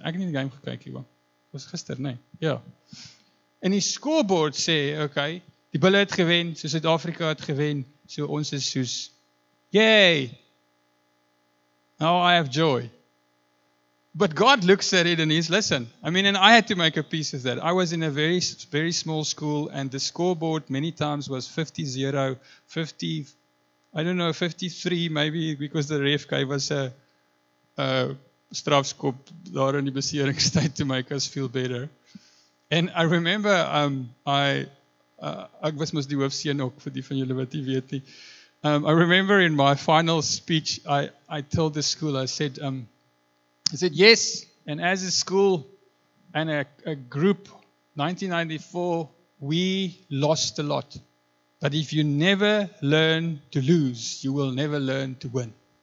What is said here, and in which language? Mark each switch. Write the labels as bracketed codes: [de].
[af] Ek het nie die game gekyk nie, man. Was gister, nee. Ja. En die scoreboard sê, okay, die bille het gewen, so Suid-Afrika het gewen, so ons is soos, yay! [en] Now I have joy. But God looks at it and he's, listen. I mean, and I had to make a piece of that. I was in a very, very small school and the scoreboard many times was 50-0, 50, I don't know, 53 maybe because the ref guy was a [af] strafskop daar in die beseringstyd [en] to make us feel better. And I remember [af] ek was mos die hoofseun ook vir die van julle wat nie weet nie. [en] I remember in my final speech, I told the school, I said, yes, and as a school and a group, 1994, we lost a lot. But if you never learn to lose, you will never learn to win.